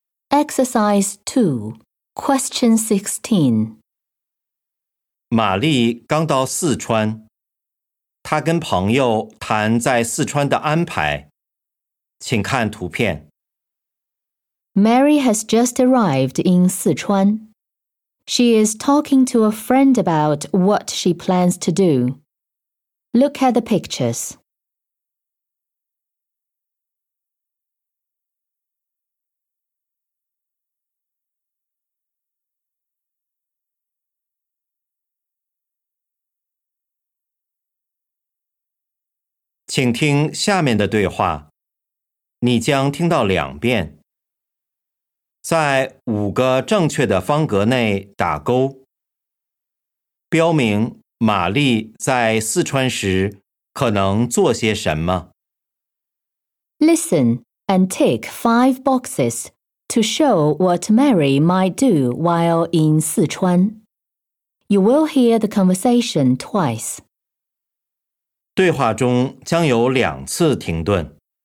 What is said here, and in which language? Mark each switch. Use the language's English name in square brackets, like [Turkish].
[English] Exercise 2, Question 16。 [Chinese] 玛丽刚到四川，她跟朋友谈在四川的安排，请看图片。 [English] Mary has just arrived in Sichuan. She is talking to a friend about what she plans to do. Look at the pictures. [Chinese] 请听下面的对话，你将听到两遍。在五个正确的方格内打勾，标明玛丽在四川时可能做些什么。 [English] Listen and tick five boxes to show what Mary might do while in Sichuan. You will hear the conversation twice. [Chinese] 对话中将有两次停顿。